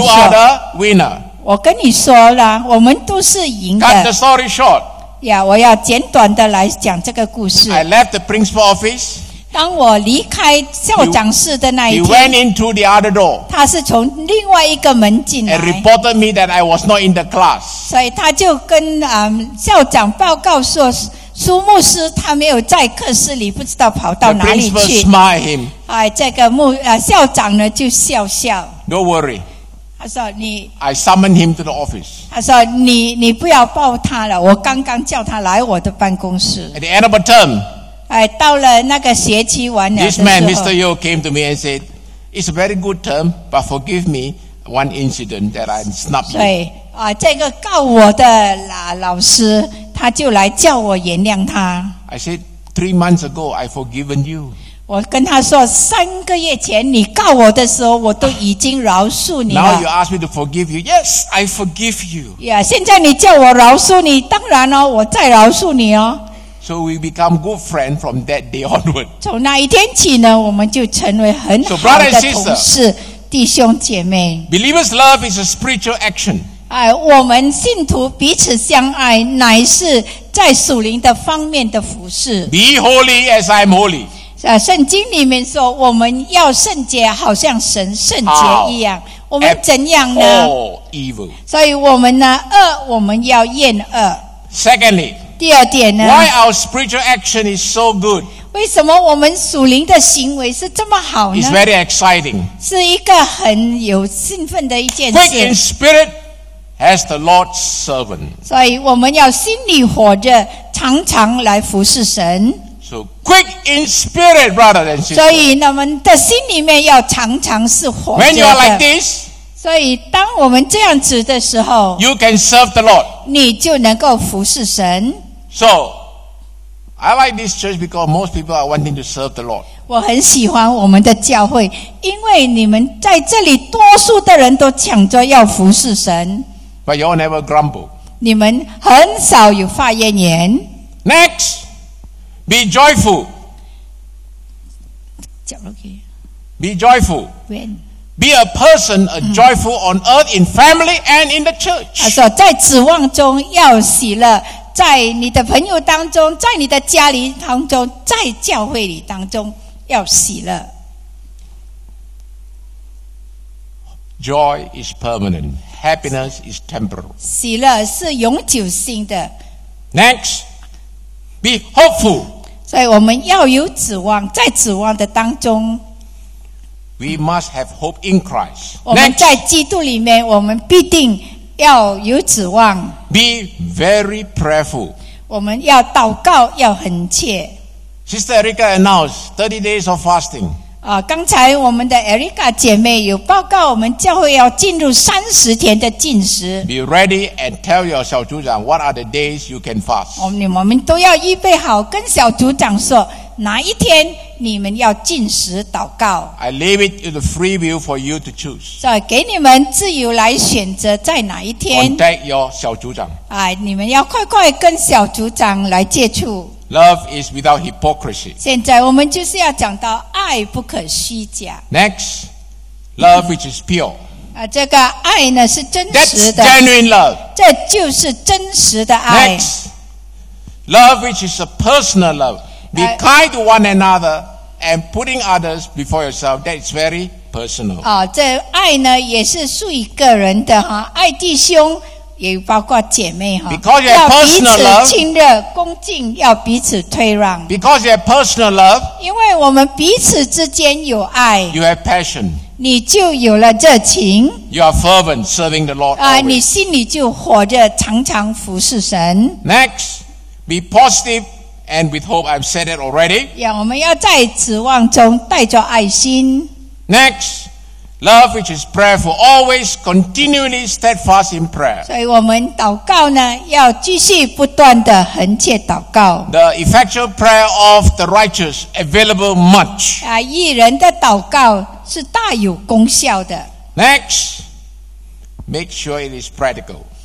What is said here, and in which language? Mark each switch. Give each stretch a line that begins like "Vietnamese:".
English: ，You are the winner。
Chinese: 我跟你说了，我们都是赢的。
English: Cut the story short.
Chinese: Yeah, 我要简短的来讲这个故事。
English: I left the principal office.
Chinese: 当我离开校长室的那一天
English: he went into the other door.
Chinese: 他是从另外一个门进来。
English: And reported me that I was not in the class.
Chinese: 所以他就跟校长报告说，苏牧师他没有在课室里，不知道跑到哪里去。
English: The principal smiled him.
Chinese: 哎，这个校长呢就笑笑。
English: Don't worry.
Chinese: 他说你
English: I summoned him to the office.
Chinese: 他说你不要抱他了，我刚刚叫他来我的办公室。
English: At the end of a term,
Chinese: 哎，到了那个学期完了的时候
English: This man, Mr. Yeo, came to me and said, It's a very good term, but forgive me one incident that I snubbed you.
Chinese: 对，这个告我的老师，他就来叫我原谅他。
English: I said, 3 months ago, I've forgiven you.
Chinese: 我跟他说，三个月前你告我的时候，我都已经饶恕你了。
English: Now you ask me to forgive you. Yes, I forgive you.
Chinese: Yeah, 现在你叫我饶恕你，当然哦，我再饶恕你哦。
English: So we become good friend from that day onward.
Chinese: 从那一天起呢，我们就成为很好的同事。
English: So brother and sister,
Chinese: 弟兄姐妹。
English: Believers' love is a spiritual action.
Chinese: 哎，我们信徒彼此相爱，乃是在属灵的方面的服事。
English: Be holy as I am holy.
Chinese: 圣经里面说我们要圣洁好像神圣洁一样、
English: How、
Chinese: 我们怎样呢
English: evil.
Chinese: 所以我们呢恶我们要厌恶
English: Secondly,
Chinese: 第二点呢
English: Why our spiritual action is so good?
Chinese: 为什么我们属灵的行为是这么好呢
English: It's very exciting.
Chinese: 是一个很有兴奋的一件事
English: Quick in spirit as the Lord's servant.
Chinese: 所以我们要心里火热常常来服侍神
English: So quick in spirit, rather than sin.
Chinese: 所以，我们的心里面要常常是火热的。
English: When you are like this,
Chinese: 所以当我们这样子的时候
English: ，you can serve the Lord.
Chinese: 你就能够服侍神。
English: So, I like this church because most people are wanting to serve the Lord.
Chinese: 我很喜欢我们的教会，因为你们在这里，多数的人都抢着要服侍神。
English: But you all never grumble.
Chinese: 你们很少有发怨言。
English: Next. Be joyful. Be joyful. Be a person, a joyful on earth, in family and in the church.
Chinese: 他说，在指望中要喜乐，在你的朋友当中，在你的家里当中，在教会里当中要喜乐。
English: Joy is permanent. Happiness is temporal.
Chinese: 喜乐是永久性的。
English: Next, be hopeful.
Chinese: 所以我们要有指望，在指望的当中
English: ，We must have hope in Christ.
Chinese: 我们在基督里面，我们必定要有指望。
English: Be very prayerful.
Chinese: 我们要祷告，要很切。
English: Sister Erica announced 30 days of fasting.
Chinese: 啊，刚才我们的 Erica 姐妹有报告，我们教会要进入30天的禁食。
English: Be ready and tell your 小组长 what are the days you can fast.
Chinese: 我们都要预备好，跟小组长说哪一天你们要禁食祷告。
English: I leave it to the free will for you to choose.
Chinese: 再给你们自由来选择在哪一天。
English: Contact your 小组长。
Chinese: 哎，你们要快快跟小组长来接触。
English: Love is without hypocrisy.
Chinese: 现在我们就是要讲到爱不可虚假。
English: Next, love which is pure.
Chinese: 啊，这个爱呢是真实的。
English: That's genuine love.
Chinese: 这就是真实的爱。
English: Next, love which is a personal love. Be kind to one another and putting others before yourself. That's very personal.
Chinese: 啊，这爱呢也是属于个人的哈，爱弟兄。也包括姐妹哈，要彼此亲热恭敬，要彼此退让。
English: Because you have personal love,
Chinese: 因为我们彼此之间有爱，
English: you have passion,
Chinese: 你就有了热情。
English: You are fervent serving the Lord always.
Chinese: 你心里就活着，常常服侍神。
English: Next, be positive and with hope. I've said it already.
Chinese: 我们要在指望中带着爱心。
English: Next. Love which is prayerful, always continually steadfast in prayer.
Chinese: 所以我们祷告呢，要继续不断的恒切祷告。
English: The effectual prayer of the righteous, available much.
Chinese: 义人的祷告是大有功效的。
English: Next, make sure it is practical.